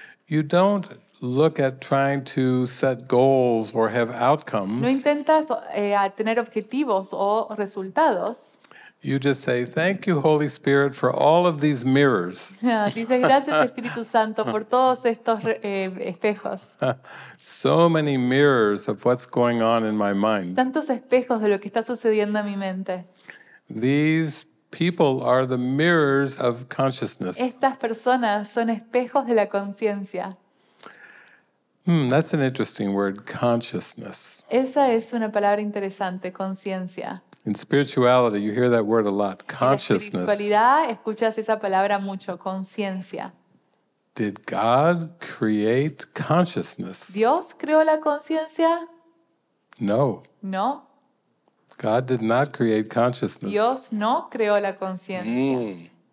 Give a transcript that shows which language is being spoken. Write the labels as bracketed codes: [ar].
[en] you don't look at trying to set goals or have outcomes. [es] No intentas tener objetivos o resultados. [en] You just say, thank you, Holy Spirit, for all of these mirrors. [es] Dices, gracias, Espíritu Santo, por todos estos espejos. [en] So many mirrors of what's going on in my mind. [es] Tantos espejos de lo que está sucediendo en mi mente. [en] These people are the mirrors of consciousness. [es] Estas personas son espejos de la conciencia. [en] That's an interesting word, consciousness. [es] Esa es una palabra interesante, conciencia. [en] In spirituality, you hear that word a lot, consciousness. [es] En la espiritualidad, escuchas esa palabra mucho, conciencia. [en] Did God create consciousness? [es] ¿Dios creó la conciencia? [en] No. [es] No. [en] God did not create consciousness. [es] Dios no creó la conciencia. Mm.